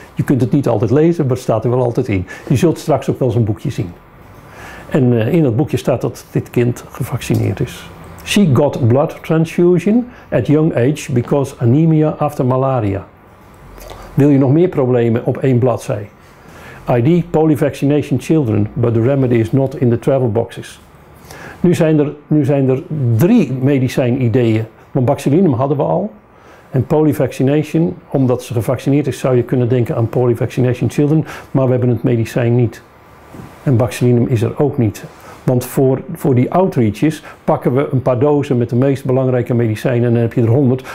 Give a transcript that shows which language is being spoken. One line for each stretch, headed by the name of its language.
Dutch: Je kunt het niet altijd lezen, maar het staat er wel altijd in. Je zult straks ook wel zo'n boekje zien. En in dat boekje staat dat dit kind gevaccineerd is.
English: She got blood transfusion at young age because anemia after malaria.
Dutch: Wil je nog meer problemen op één bladzij?
English: ID polyvaccination children, but the remedy is not in the travel boxes.
Dutch: Nu zijn er drie medicijnideeën. Want baxilinum hadden we al. En polyvaccination, omdat ze gevaccineerd is, zou je kunnen denken aan polyvaccination children. Maar we hebben het medicijn niet. En baxilinum is er ook niet. Want voor die outreaches pakken we een paar dozen met de meest belangrijke medicijnen en dan heb je er 100.